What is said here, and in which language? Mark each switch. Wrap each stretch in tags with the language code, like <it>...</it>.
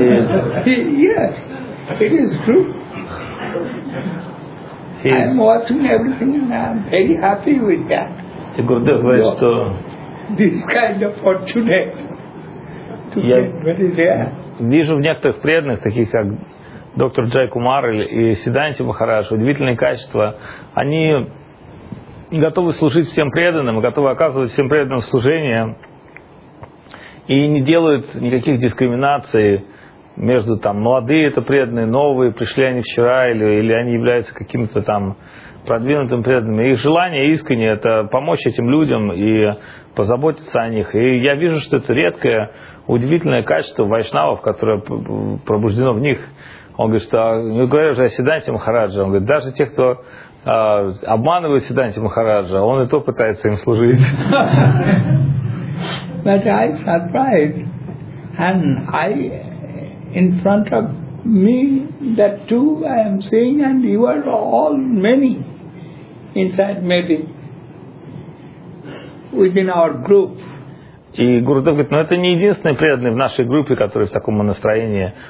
<en>Yes, it is true. Yes. I am watching everything and I am very happy with that. The Gurudev was to this kind of fortunate to be very rare.</en> <ru>Вижу в некоторых преданных, таких как доктор Джайкумар и Сиддханти Махарадж, удивительные качества. Они готовы служить всем преданным, готовы оказывать всем преданным служение и не делают никаких дискриминаций между там молодые это преданные, новые, пришли они вчера или они являются какими-то там продвинутыми преданными. Их желание искренне это помочь этим людям и позаботиться о них. И я вижу, что это редкое, удивительное качество вайшнавов, которое пробуждено в них. Он говорит, что не говоря уже о Сиддханте Махараджа, он говорит, даже те, кто обманывает Сиддханте Махараджа, он и то пытается им служить.</ru> <en>But I surprised and I in front of me that two I am seeing and you are all many inside maybe within our group.</en> <ru>И Гурудев говорит, ну это не единственные преданные в нашей группе, которые в таком настроении.</ru>